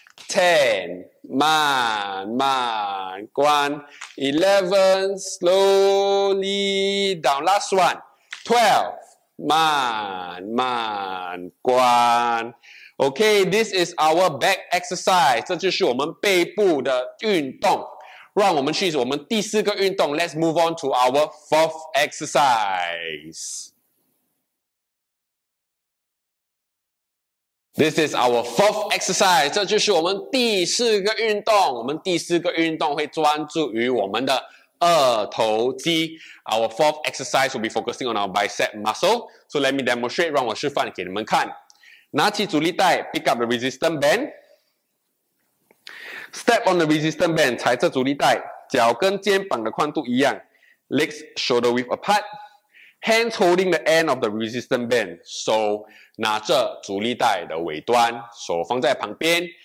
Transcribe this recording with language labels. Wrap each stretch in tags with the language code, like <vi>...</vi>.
<en>10,</en> <zh>慢慢关</zh> <en>11 slowly down last one 12 慢慢关 OK this is our back exercise</en> <zh>这就是我们背部的运动让我们去我们第四个运动</zh> <en>Let's move on to our fourth exerciseThis is our fourth exercise.</en> <zh>这就是我们第四个运动。我们第四个运动会专注于我们的二头肌。</zh> <en>Our fourth exercise will be focusing on our bicep muscle. So let me demonstrate,</en> <zh>让我示范给你们看。拿起阻力带</zh> <en>,pick up the resistant band. Step on the resistant band,</en> <zh>踩着阻力带，脚跟肩膀的宽度一样。</zh> <en>Legs shoulder width apart. Hands holding the end of the resistant band.</en> <zh>手拿着阻力带的尾端，手放在旁边。</zh>